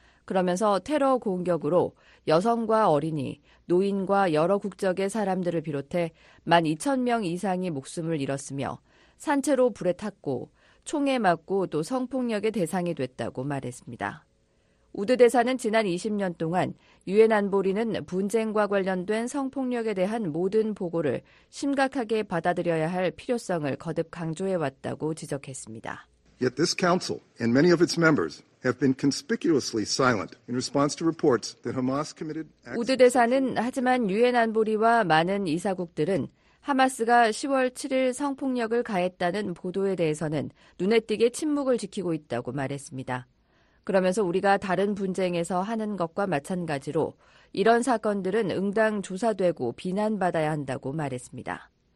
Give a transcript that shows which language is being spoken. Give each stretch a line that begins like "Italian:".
Korean: 그러면서 테러 공격으로 여성과 어린이, 노인과 여러 국적의 사람들을 비롯해 1만 2천 명 이상이 목숨을 잃었으며 산채로 불에 탔고 총에 맞고 또 성폭력의 대상이 됐다고 말했습니다. 우드 대사는 지난 20년 동안 유엔 안보리는 분쟁과 관련된 성폭력에 대한 모든 보고를 심각하게 받아들여야 할 필요성을 거듭 강조해왔다고 지적했습니다.
English: Yet this council and many of its members have been conspicuously silent in response to reports that Hamas committed acts.
Korean: 우드 대사는 하지만 유엔 안보리와 많은 이사국들은 하마스가 10월 7일 성폭력을 가했다는 보도에 대해서는 눈에 띄게 침묵을 지키고 있다고 말했습니다. 그러면서 우리가 다른 분쟁에서 하는 것과 마찬가지로 이런 사건들은 응당 조사되고 비난받아야 한다고 말했습니다.